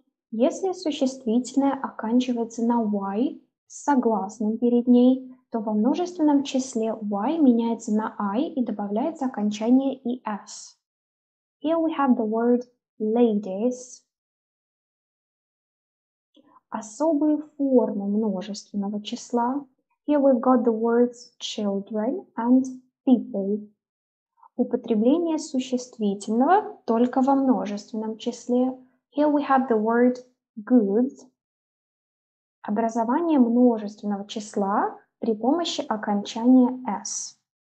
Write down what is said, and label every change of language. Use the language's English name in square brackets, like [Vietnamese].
[Russian] Если существительное оканчивается на Y с согласным перед ней, то во множественном числе Y меняется на I и добавляется окончание ES. [English] Here we have the word ladies. [Russian] Особые формы множественного числа. [English] Here we've got the words children and people. [Russian] Употребление существительного только во множественном числе. [English] Here we have the word goods. [Russian] Образование множественного числа при помощи окончания s.